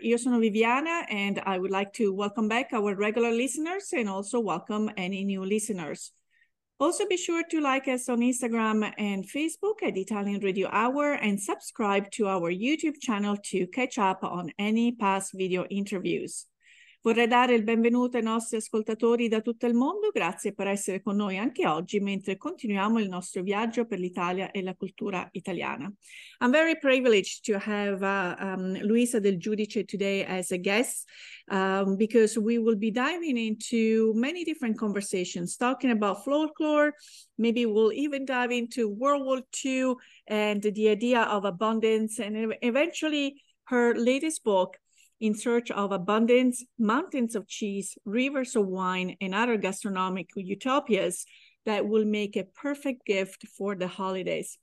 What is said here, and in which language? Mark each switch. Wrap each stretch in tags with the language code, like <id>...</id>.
<it>Io sono</it> <en>Viviana and I would like to welcome back our regular listeners and also welcome any new listeners. Also be sure to like us on Instagram and Facebook at Italian Radio Hour and subscribe to our YouTube channel to catch up on any past video interviews.</en> <it>Vorrei dare il benvenuto ai nostri ascoltatori da tutto il mondo, grazie per essere con noi anche oggi mentre continuiamo il nostro viaggio per l'Italia e la cultura italiana.</it> <en>I'm very privileged to have Luisa del Giudice today as a guest because we will be diving into many different conversations, talking about folklore, maybe we'll even dive into World War II and the idea of abundance and eventually her latest book, In Search of Abundance, Mountains of Cheese, Rivers of Wine, and Other Gastronomic Utopias that will make a perfect gift for the holidays.</en>